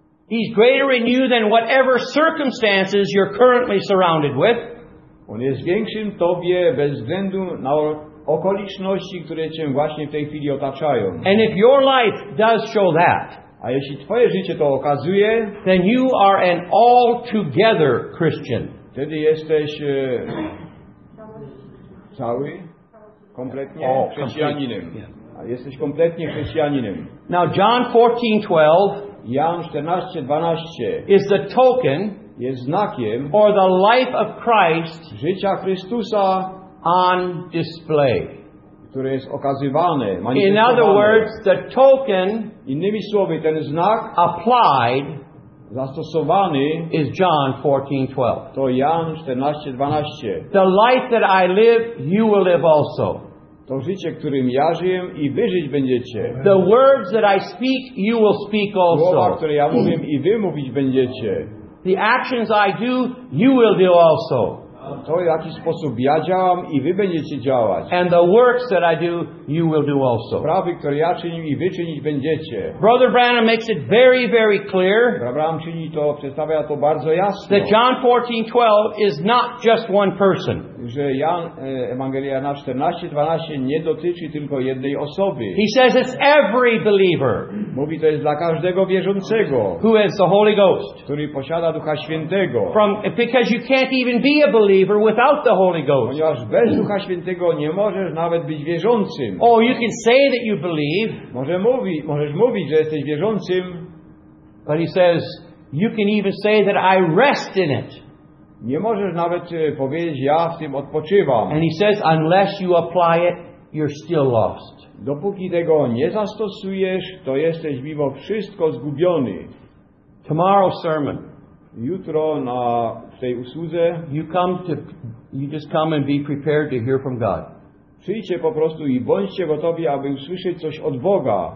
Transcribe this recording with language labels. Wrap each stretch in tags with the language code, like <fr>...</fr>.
<en>He's greater in you than whatever circumstances you're currently surrounded with.</en> <pl>On jest większy w tobie bez względu na okoliczności, które cię właśnie w tej chwili otaczają.</pl> <en>And if your life does show that,</en> <pl>a jeśli twoje życie to okazuje,</pl> <en>then you are an altogether Christian.</en> <pl>Wtedy jesteś cały, kompletnie chrześcijaninem. A jesteś kompletnie chrześcijaninem.</pl> <en>Now John 14:12.</en> <pl>Jan 14:12</pl> <en>is the token,</en> <pl>jest znakiem,</pl> <en>or the life of Christ,</en> <pl>życia Chrystusa,</pl> <en>on display,</en> <pl>które jest okazywane, manifestowane.</pl> <en>In other words, the token,</en> <pl>innymi słowy, ten znak,</pl> <en>applied,</en> <pl>zastosowany,</pl> <en>is John 14:12.</en> <pl>To Jan 14:12.</pl> <en>The life that I live, you will live also.</en> <pl>To życie, którym ja żyję i wy żyć będziecie.</pl> <en>The words that I speak, you will speak also.</en> <pl>Słowa, które ja mówię i wy mówić będziecie.</pl> <en>The actions I do, you will do also.</en> <pl>to, w jaki sposób ja działam i wy będziecie działać.</pl> <en>And the works that I do, you will do also.</en> <pl>Prawy, które ja czynię i wy czynić będziecie.</pl> <en>Brother Branham makes it very, very clear.</en> <pl>Branham czyni to, przedstawia to bardzo jasno.</pl> <en>That John 14:12 is not just one person.</en> <pl>Że Jan, Ewangelia na 14:12 nie dotyczy tylko jednej osoby.</pl> <en>He says it's every believer.</en> <pl>Mówi, to jest dla każdego wierzącego.</pl> <en>Who has the Holy Ghost?</en> <pl>Który posiada Ducha Świętego.</pl> <en>From, because you can't even be a believer without the Holy Ghost.</en> <pl>Ponieważ bez Ducha Świętego nie możesz nawet być wierzącym.</pl> <en>Oh, you can say that you believe.</en> <pl>Możesz mówić, że jesteś wierzącym.</pl> <en>But he says, you can even say that I rest in it.</en> <pl>Nie możesz nawet powiedzieć, ja w tym odpoczywam.</pl> <en>And he says, unless you apply it, you're still lost.</en> <pl>Dopóki tego nie zastosujesz, to jesteś mimo wszystko zgubiony.</pl> <en>Tomorrow sermon.</en> <pl>Jutro na tej usłudze.</pl> <en>You just come and be prepared to hear from God.</en> <pl>Przyjdźcie po prostu i bądźcie gotowi, aby usłyszeć coś od Boga.</pl>